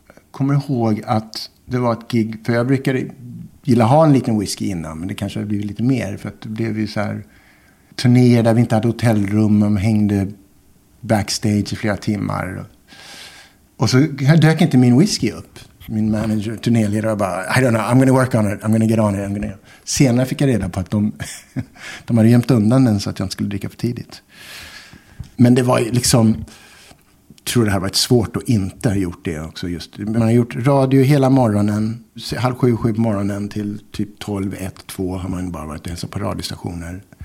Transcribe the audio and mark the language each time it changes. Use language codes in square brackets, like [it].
[sv] Kommer ihåg att det var ett gig. För jag brukade gilla ha en liten whisky innan. Men det kanske hade blivit lite mer. För att det blev ju så här turnéer där vi inte hade hotellrum. Man hängde backstage i flera timmar. Och så dök inte min whisky upp. Min manager, turnéledare, bara, [en] I don't know, I'm gonna work on it, I'm gonna get on it, I'm gonna... [sv] Senare fick jag reda på att de hade gömt undan den så att jag inte skulle dricka för tidigt. Men det var liksom, jag tror det här var ett svårt att inte ha gjort det också just. Man har gjort radio hela morgonen, 6:30 på morgonen till typ 12:00, 1:00, 2:00 har man bara varit och hälsat på radiostationer.